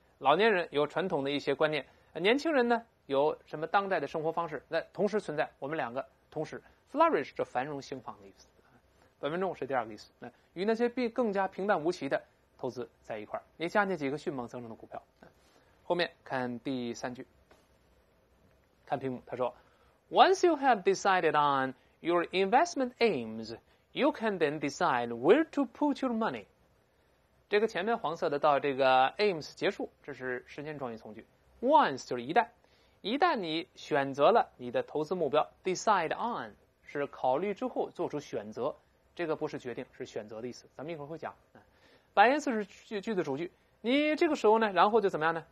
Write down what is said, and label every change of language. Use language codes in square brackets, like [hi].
[zh] 老年人有传统的一些观念，年轻人呢有什么当代的生活方式，那同时存在，我们两个同时 flourish 这繁荣兴旺的意思，本文中是第二个意思，与那些更加平淡无奇的投资在一块，你加那几个迅猛增长的股票。后面看第三句，看屏幕，他说 [en] Once you have decided on your investment aims, you can then decide where to put your money。 [zh] 这个前面黄色的到这个 aims 结束，这是时间状语从句。 Once 就是一旦你选择了你的投资目标 ，decide on 是考虑之后做出选择，这个不是决定，是选择的意思。咱们一会儿会讲。白颜色是 句子主句，你这个时候呢，然后就怎么样呢？